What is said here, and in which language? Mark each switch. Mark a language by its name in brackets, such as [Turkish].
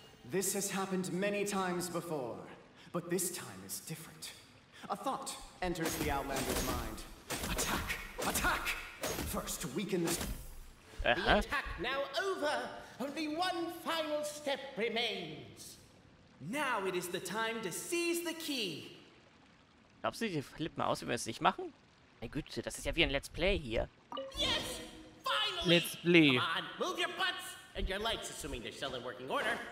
[English] This has happened many times before, but this time is different. A thought enters the Outlander's mind. Attack! Attack! First, weaken this. The attack now over. Only one final step remains. Now it is the time to seize the key. [German] Glaubst du, die flippen aus, wenn wir es nicht machen? Na Güte, das ist ja wie ein Let's Play hier. [English] Yes, finally. Let's Play. Come on, move your butts and your lights, assuming they're still in working order.